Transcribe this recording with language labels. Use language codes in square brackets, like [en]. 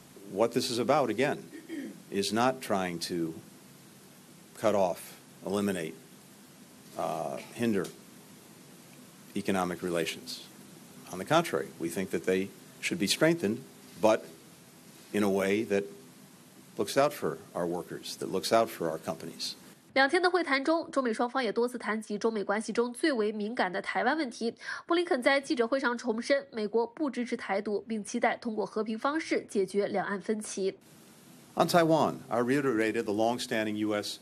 [en] What this is about, again, is not trying to cut off, eliminate, hinder economic relations. On the contrary, we think that they should be strengthened, but in a way that looks out for our workers, that looks out for our companies. [zh] 两天的会谈中，中美双方也多次谈及中美关系中最为敏感的台湾问题。布林肯在记者会上重申，美国不支持台独，并期待通过和平方式解决两岸分歧。 [en] On Taiwan, I reiterated the long-standing U.S.